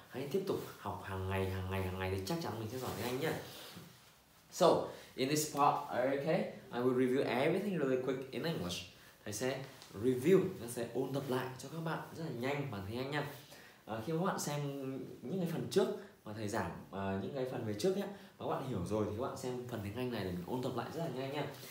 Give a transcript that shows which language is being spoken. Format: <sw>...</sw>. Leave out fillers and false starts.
<vi>Hãy tiếp tục học hàng ngày thì chắc chắn mình sẽ giỏi tiếng Anh nhá.</vi> <en>So in this part, okay, I will review everything really quick in English.</en> <vi>Thầy sẽ review, thầy sẽ ôn tập lại cho các bạn rất là nhanh bằng tiếng Anh nha. Khi các bạn xem những cái phần trước mà thầy giảng những cái phần về trước nhé, các bạn hiểu rồi thì các bạn xem phần tiếng Anh này để mình ôn tập lại rất là nhanh nha.</vi>